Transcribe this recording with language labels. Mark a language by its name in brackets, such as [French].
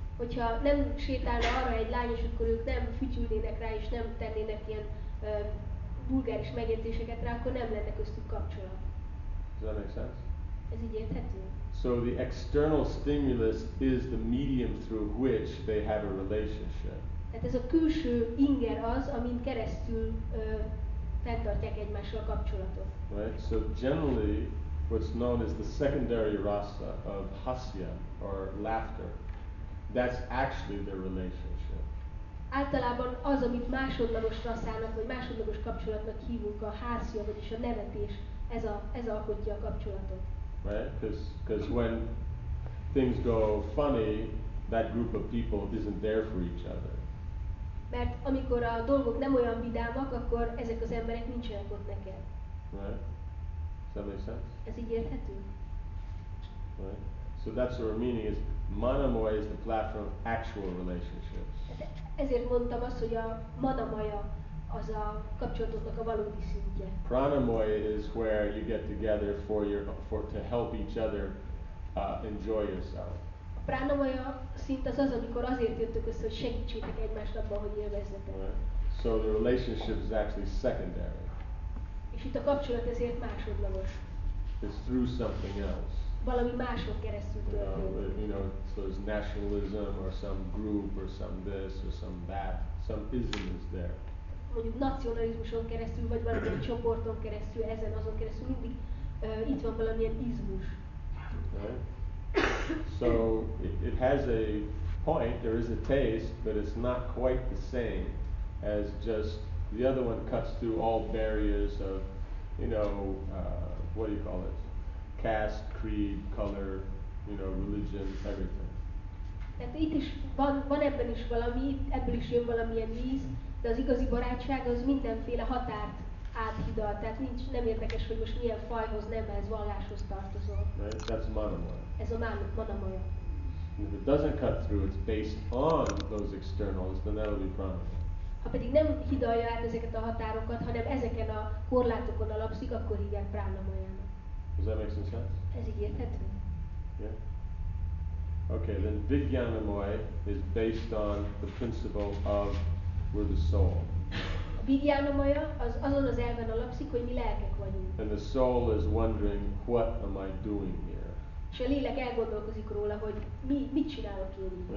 [Hungarian] Hogyha nem sétálna arra egy lány, és akkor ők nem fütyülnének rá, és nem tennének ilyen vulgáris megjegyzéseket rá, akkor nem lenne köztük kapcsolat. [English] Does that make sense? [Hungarian] Ez így érthető? [English] So the external stimulus is the medium through which they have a relationship. [Hungarian] Tehát ez a külső inger az, amin keresztül fenntartják egymással a kapcsolatot. [English] Right? So generally, what's known as the secondary rasa of hasya, or laughter, that's actually their relationship. [Hungarian] Általában az, amit másodlagos rasszának vagy másodlagos kapcsolatnak hívunk, a hászja, vagyis a nevetés, ez alkotja a kapcsolatot. [English] Right? Because when things go funny, that group of people isn't there for each other. [Hungarian] Mert amikor a dolgok nem olyan vidámak, akkor ezek az emberek nincsenek ott neked. [English] Right? Does that make sense? [Hungarian] Ez így érthető? [English] Right? So that's what our meaning is. Manamoya is the platform of actual relationships. [Hungarian] Ezért mondtam azt, hogy a manamaya az a kapcsolatoknak a valódi szintje. [English] Pranamoya is where you get together for your for to help each other enjoy yourself. [Hungarian] A pranamaya szint az az, amikor azért jöttök össze, hogy segítsétek egymást abban, hogy élvezzetek. [English] Right. So the relationship is actually secondary. [Hungarian] És itt a kapcsolat ezért másodlagos. [English] It's through something else. [Hungarian] Valami máson keresztül történik. [English] You know, so it's nationalism or some group or some this or some that, some ism is there. [Hungarian] Mondjuk nacionalizmuson keresztül vagy valami csoporton keresztül, ezen azon keresztül mindig itt van valamilyen izmus. [English] Right. So it has a point, there is a taste, but it's not quite the same as just the other one cuts through all barriers of, you know, what do you call it? Caste, creed, color, you know, religion, everything. [Hungarian] Tehát itt is van ebben is valami, ebből is jön valamilyen víz, de az igazi barátság az mindenféle határt áthidal. Tehát nincs, nem érdekes, hogy most milyen fajhoz, nemhez, vallásoz tartozol. [English] Right? That's manamaya. [Hungarian] Ez a manamaya. [English] If it doesn't cut through, it's based on those externals, then that'll be pranamaya. [Hungarian] Ha pedig nem hidalja át ezeket a határokat, hanem ezeken a korlátokon alapszik, akkor igen, pranamaya. [English] Does that make some sense? [Hungarian] Ez így érthető. [English] Yeah. Okay, then Vijñānamoya is based on the principle of we're the soul. [Hungarian] A Vijñānamoya az azon az elven alapszik, hogy mi lelkek vagyunk. [English] And the soul is wondering, what am I doing here? [Hungarian] És a lélek elgondolkozik róla, hogy mit csinálok én.